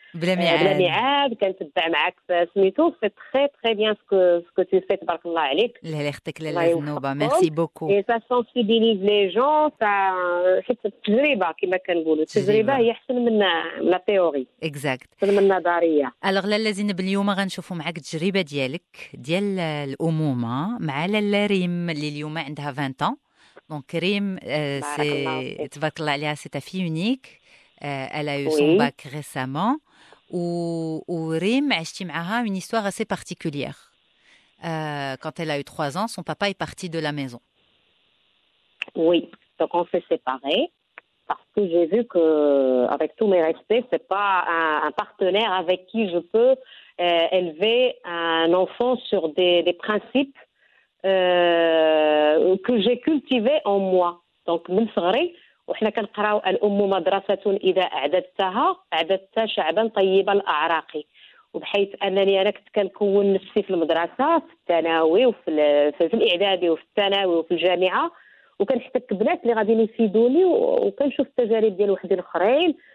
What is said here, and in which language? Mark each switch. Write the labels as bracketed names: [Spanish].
[Arabic] بلا ميعاد. [French] Quand tu te bats avec Smito, c'est très très bien ce que tu fais, tabarakallah, عليك. Lala Ytek, Lala Zineb, merci beaucoup. Et ça sensibilise les gens, ça. C'est une tajriba, comme on dit. Une tajriba, c'est la théorie. Exact. C'est la nadaria. [Arabic] Alors, Lala Zineb, اليوم غنشوفوا معاك التجربة ديالك ديال الأمومة مع لالا ريم. اليوم عندها [French] 20 ans. Donc Karim, c'est ta fille unique. Elle a eu son bac récemment. Ou Rim, a une histoire assez particulière. Quand elle a eu 3 ans, son papa est parti de la maison. Oui, donc on s'est séparés. Parce que j'ai vu que, avec tous mes respects, ce n'est pas un partenaire avec qui je peux élever un enfant sur des principes que j'ai cultivé en moi. [Arabic] Donc, من صغري وحنا كنقراو الأم مدرسة إذا أعددتها أعددت شعبا طيبا أعراقي. وبحيث أنني أنا كنت كنكون نفسي في المدرسة في الثانوي وفي الإعدادي وفي الثانوي وفي الجامعة وكنحتك بنات اللي غادي يفيدوني وكنشوف التجارب ديال وحدين آخرين.